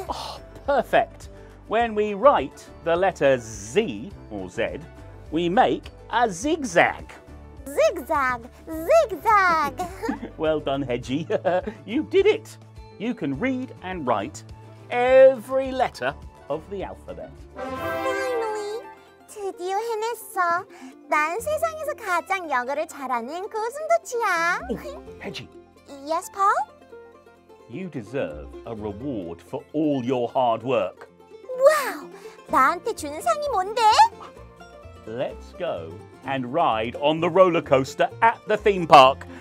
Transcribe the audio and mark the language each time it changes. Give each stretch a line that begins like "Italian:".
English: Oh, perfect. When we write the letter Z or Z, we make a zigzag. Zigzag, zigzag. Well done, Hedgie. You did it. You can read and write every letter of the alphabet. Finally,
Korean: 드디어 해냈어. 난 세상에서 가장 영어를 잘하는 고슴도치야.
English: Hedgie. Yes, Paul? You deserve a reward for all your hard work.
Korean: Wow, 나한테 주는 상이 뭔데?
English: Let's go and ride on the roller coaster at the theme park.